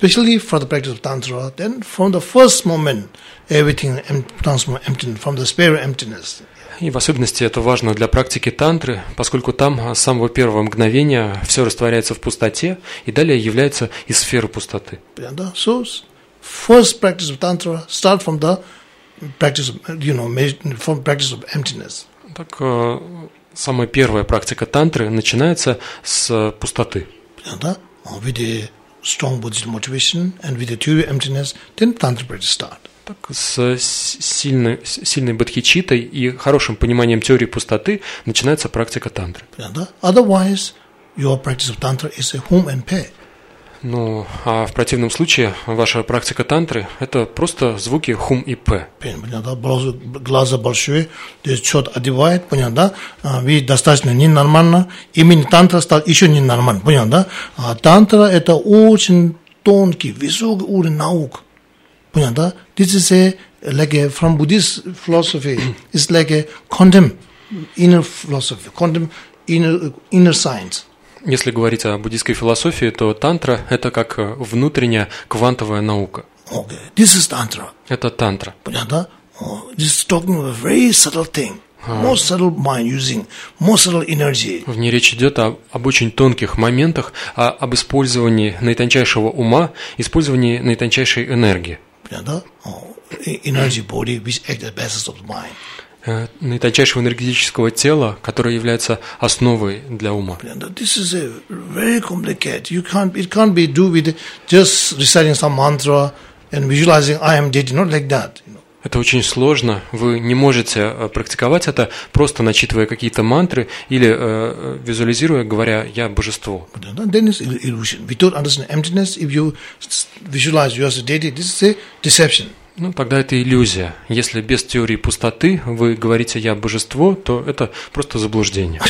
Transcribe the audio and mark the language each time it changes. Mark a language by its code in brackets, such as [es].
[en] Especially for the practice of tantra, then from the first moment, everything transforms empty from the spirit of emptiness. [ru] И в особенности это важно для практики тантры, поскольку там с самого первого мгновения все растворяется в пустоте и далее является из сферы пустоты. [en] First practice of tantra start from the practice of, you know, from practice of emptiness. [ru] Так самая первая практика тантры начинается с пустоты. [en] Да, with a strong Buddhist motivation and with a theory of emptiness, then tantra practice start. [ru] Так с сильной бодхичиттой и хорошим пониманием теории пустоты начинается практика тантры. [en] Да, otherwise your practice of tantra is a home and pay. [ru] Ну, а в противном случае ваша практика тантры – это просто звуки хум и пэ. Понятно, да? Глаза большие, то есть что-то одевает, понятно, да? Видит достаточно ненормально, именно тантра стал еще ненормально, понятно, да? А тантра – это очень тонкий, высокий уровень наук, понятно, да? [en] This is a, like a, from Buddhist philosophy, it's like a condemn inner science. [ru] Если говорить о буддийской философии, то тантра – это как внутренняя квантовая наука. [en] Okay. This is tantra. [ru] Это тантра. Понятно? [en] This is talking about a very subtle thing. Most subtle mind using, most subtle energy. [ru] В ней речь идет об очень тонких моментах, об использовании наитончайшего ума, использовании наитончайшей энергии. Понятно? [en] Energy body, which acts as basis of the mind. [ru] Наитончайшего энергетического тела, которое является основой для ума. [en] This is a very complicated. It can't be do with just reciting some mantra and visualizing I am dead. Not like that. [ru] Это очень сложно. Вы не можете практиковать это просто начитывая какие-то мантры или визуализируя, говоря я божество. [en] Then it's illusion. We don't understand emptiness. If you visualize you as a deity, this is a deception. [ru] Ну, тогда это иллюзия. Если без теории пустоты вы говорите «я божество», то это просто заблуждение.